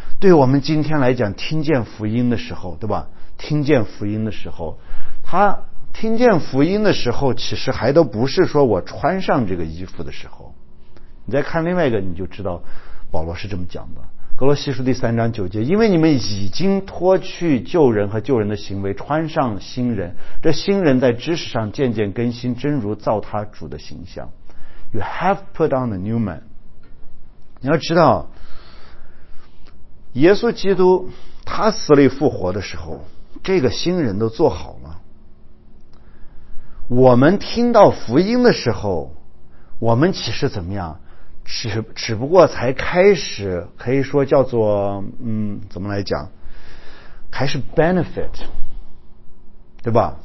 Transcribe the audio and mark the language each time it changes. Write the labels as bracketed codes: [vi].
[zh] 对我们今天来讲，听见福音的时候，对吧？听见福音的时候，他听见福音的时候，其实还都不是说我穿上这个衣服的时候。你再看另外一个你就知道保罗是这么讲的，格罗西书第三章九节，因为你们已经脱去旧人和旧人的行为，穿上新人，这新人在知识上渐渐更新，真如造他主的形象。 [en] You have put on the new man。 [zh] 你要知道耶稣基督他死里复活的时候，这个新人都做好了。我们听到福音的时候，我们其实怎么样，只不过才开始，可以说叫做怎么来讲，开始 benefit， 对吧？